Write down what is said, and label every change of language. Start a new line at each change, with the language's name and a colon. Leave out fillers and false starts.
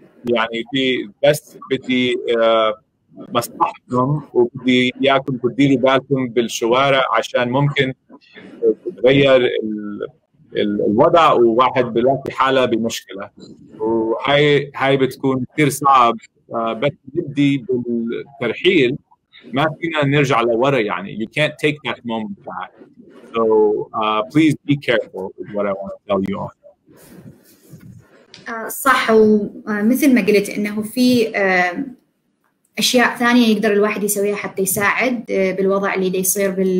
Arabic: يعني في بس بدي مصلحتكم وبدي اياكم تديروا بالكم بالشوارع عشان ممكن تغير الوضع وواحد بيلاقي حاله بمشكله. وهي بتكون كثير صعب، بس بدي بالترحيل ما فينا نرجع لورا، يعني
English: you can't take that moment back. So please be careful with what I want to tell you on.
Arabic: صح، ومثل ما قلت انه في اشياء ثانيه يقدر الواحد يسويها حتى يساعد بالوضع اللي دا يصير